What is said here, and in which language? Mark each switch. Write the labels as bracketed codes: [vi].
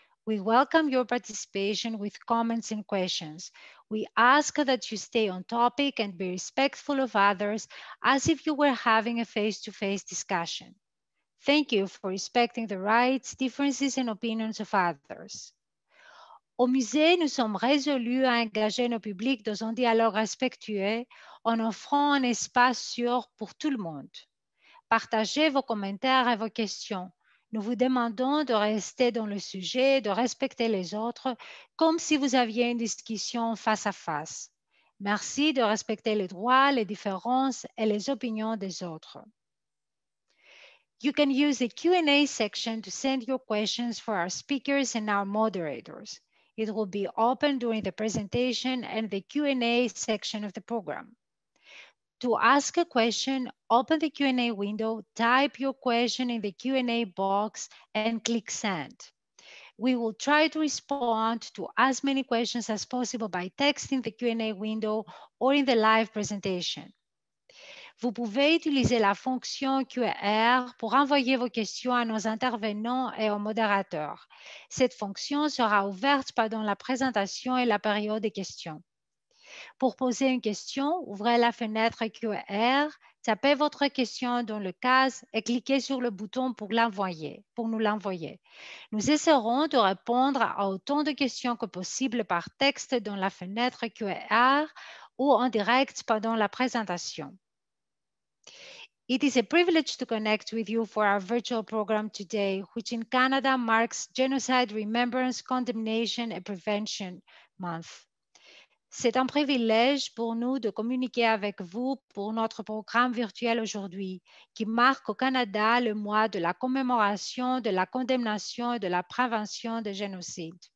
[en] We welcome your participation with comments and questions. We ask that you stay on topic and be respectful of others as if you were having a face-to-face discussion. Thank you for respecting the rights, differences and opinions of others. [fr] Au musée, nous sommes résolus à engager nos publics dans un dialogue respectueux en offrant un espace sûr pour tout le monde. Partagez vos commentaires et vos questions. Nous vous demandons de rester dans le sujet, de respecter les autres, comme si vous aviez une discussion face à face. Merci de respecter les droits, les différences et les opinions des autres. [en] You can use the Q&A section to send your questions for our speakers and our moderators. It will be open during the presentation and the Q&A section of the program. To ask a question, open the Q&A window, type your question in the Q&A box and click send. We will try to respond to as many questions as possible by texting the Q&A window or in the live presentation. [fr] Vous pouvez utiliser la fonction QR pour envoyer vos questions à nos intervenants et aux modérateurs. Cette fonction sera ouverte pendant la présentation et la période des questions. Pour poser une question, ouvrez la fenêtre QR, tapez votre question dans le case et cliquez sur le bouton pour l'envoyer, pour nous l'envoyer. Nous essaierons de répondre à autant de questions que possible par texte dans la fenêtre QR ou en direct pendant la présentation. [en] It is a privilege to connect with you for our virtual program today, which in Canada marks Genocide Remembrance, Condemnation and Prevention Month. [fr] C'est un privilège pour nous de communiquer avec vous pour notre programme virtuel aujourd'hui, qui marque au Canada le mois de la commémoration, de la condamnation et de la prévention des génocides.